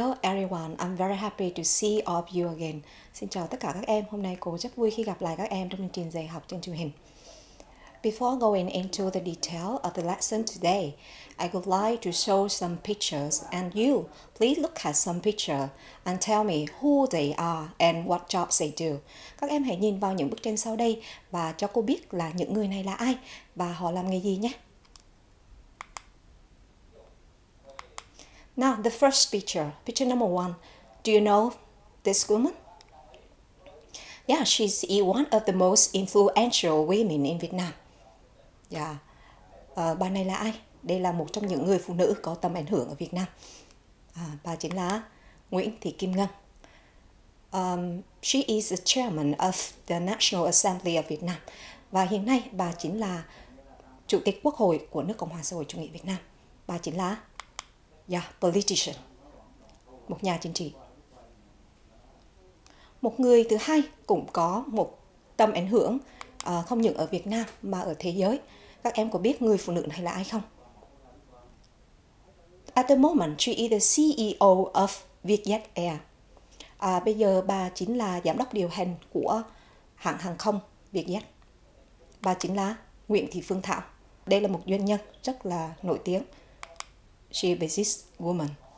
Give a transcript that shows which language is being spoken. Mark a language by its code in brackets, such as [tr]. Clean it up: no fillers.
[en] Everyone, I'm very happy to see all of you again. [vi] Xin chào tất cả các em. Hôm nay cô rất vui khi gặp lại các em trong chương trình dạy học trên truyền hình. [en] Before going into the detail of the lesson today, I would like to show some pictures and you please look at some picture and tell me who they are and what jobs they do. [vi] Các em hãy nhìn vào những bức tranh sau đây và cho cô biết là những người này là ai và họ làm nghề gì nhé. [en] Now, the first picture, picture number one. Do you know this woman? Yeah, she's one of the most influential women in Vietnam. Yeah. [vi] Bà này là ai? Đây là một trong những người phụ nữ có tầm ảnh hưởng ở Việt Nam. Bà chính là Nguyễn Thị Kim Ngân. [en] She is the chairman of the National Assembly of Vietnam. [vi] Và hiện nay, bà chính là Chủ tịch Quốc hội của nước Cộng hòa Xã hội Chủ nghĩa Việt Nam. Bà chính là... [en] Yeah, politician, [vi] một nhà chính trị. Một người thứ hai cũng có một tầm ảnh hưởng không những ở Việt Nam mà ở thế giới. Các em có biết người phụ nữ này là ai không? [en] At the moment, she is the CEO of Vietjet Air. [vi] Bây giờ bà chính là giám đốc điều hành của hãng hàng không Vietjet. Bà chính là Nguyễn Thị Phương Thảo. Đây là một doanh nhân rất là nổi tiếng. [en] She is a business woman.